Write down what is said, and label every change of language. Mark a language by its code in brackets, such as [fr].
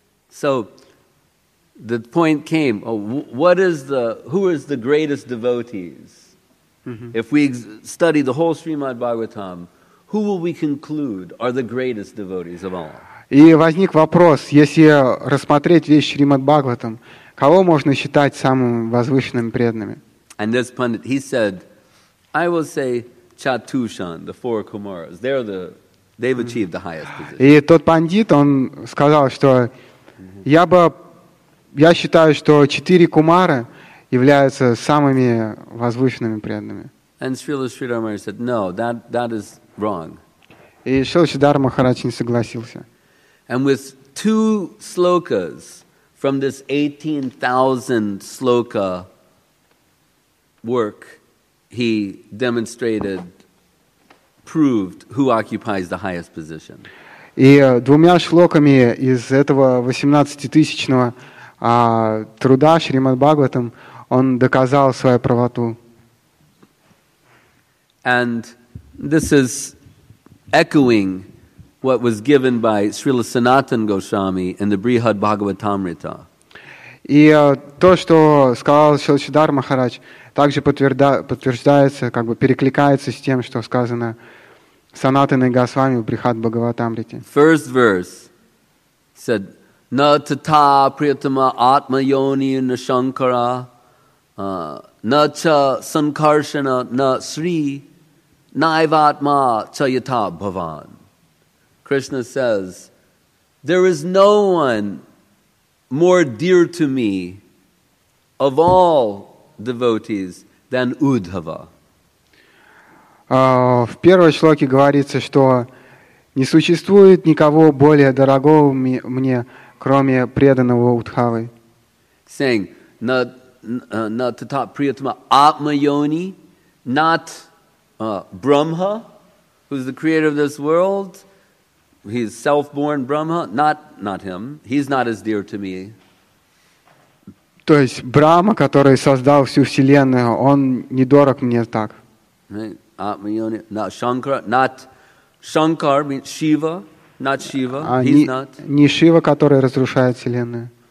[en] So the point came, who is the greatest devotees? If we study the whole Srimad Bhagavatam, who will we conclude are the greatest devotees of all? [ru] И возник вопрос, если рассмотреть весь Шримад Бхагаватам, кого можно считать самым возвышенным преданными? [en] And this pundit, he said, I will say Chatushan, the four Kumaras. They've achieved the highest position. [ru] И тот пандит, он сказал, что я считаю, что четыре кумары являются самыми возвышенными преданными. [en] And Srila Sridhar Maharaj said, no, that is wrong. [ru] И Шрила Сридхар Махарадж не согласился. [en] And with two slokas from this 18,000 sloka work, he demonstrated, proved who occupies the highest position. [ru] И двумя шлоками из этого 18-тысячного труда Шримад Бхагаватам он доказал свою правоту. [en] And this is echoing what was given by Srila Sanatan Goswami in the Brihad Bhagavatamrita. [ru] И то, что сказал Шрила Сридхар Махарадж, также подтверждается, как бы перекликается с тем, что сказано Санатаной Госвами в Брихад Бхагаватамрите. [en] First verse said, [sa] Na tata priyatama atma yoni na shankara, na cha sankarshana na sri, naivatma cha yata bhavan. [en] Krishna says, there is no one more dear to me of all devotees than Uddhava. [ru] В первой шлоке говорится, что не существует никого более дорогого мне, кроме преданного Уддхавы. [en] Saying, [sa] na tata priyatma atma yoni, [en] not Brahma, who's the creator of this world, he's self-born Brahma, not him. He's not as dear to me. [ru] То есть Брахма, который создал всю вселенную, он не дорог мне так. [en] Атмайони, not Shankara, not Shankar means Shiva, not Shiva. He's not. [ru] Не Шива, который разрушает вселенную.